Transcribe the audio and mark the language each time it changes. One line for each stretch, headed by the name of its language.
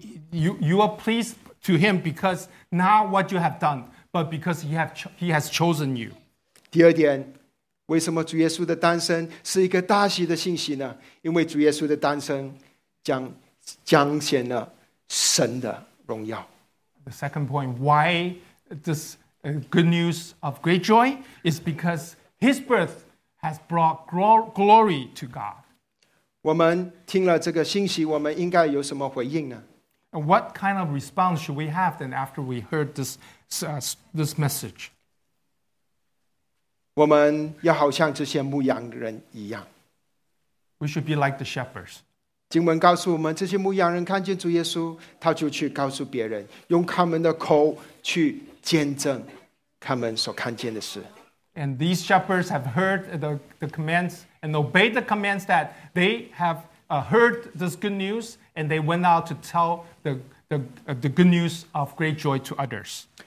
English: You are pleased to him because not what you have done, but because he has chosen you.
Chinese: 第二点，为什么主耶稣的诞生是一个大喜的信息呢？因为主耶稣的诞生彰显了神的荣耀。
English: The second point, why this? Good news of great joy is because his birth has brought glory to God.
Chinese: 我们听了这个信息，我们应该有什么回应呢？
English: And what kind of response should we have then after we heard this message?
Chinese: 我们要好像这些牧羊人一样。
English: We should be like the shepherds.
Chinese: 经文告诉我们，这些牧羊人看见主耶稣，他就去告诉别人，用他们的口去见证他们所看见的事。
English: And these shepherds have heard the commands and obeyed the commands that they have heard this good news, and they went out to tell the good news of great joy to others.